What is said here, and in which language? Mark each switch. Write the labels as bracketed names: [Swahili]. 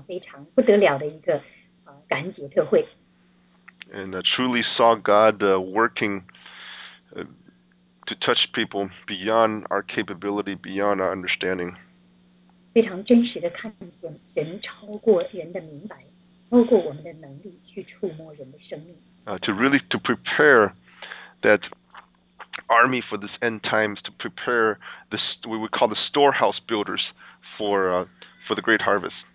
[Chinese] 我们刚刚结束了一个非常不可思议的非常不得了的一个感恩节特会。 [English] And truly saw God working to touch people beyond our capability, beyond our understanding. [Chinese] 非常真实的看见人超过人的明白，超过我们的能力去触摸人的生命。 [English] To prepare that army for this end times, to prepare this, we would call the storehouse builders for the great harvest.